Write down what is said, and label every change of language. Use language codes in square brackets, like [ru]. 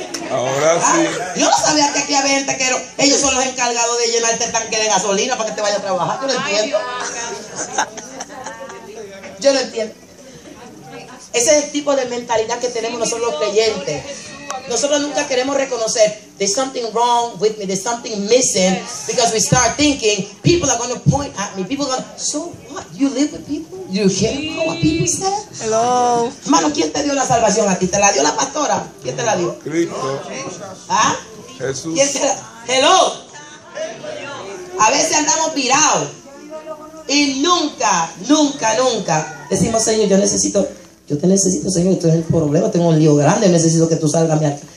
[es] Ahora sí. Yo no sabía que aquí había gente que ellos son los encargados de llenarte el tanque de gasolina para que te vaya a trabajar. Yo no entiendo. Yo no entiendo. Ese es el tipo de mentalidad que tenemos nosotros los creyentes. Nosotros nunca queremos reconocer, [en] there's something wrong with me, there's something missing, because we start thinking, people are going to point at me, people are going to, so what, you live with people? You care about what people say? Hello. [es] Mano, ¿quién te dio la salvación a ti? ¿Te la dio la pastora? ¿Quién te la dio? Cristo. ¿Ah? Jesús. ¿Quién te la... Hello. A veces andamos virados. Y nunca, nunca, nunca decimos, Señor, yo te necesito, Señor, esto es el problema, tengo un lío grande, necesito que tú salgas mi alma.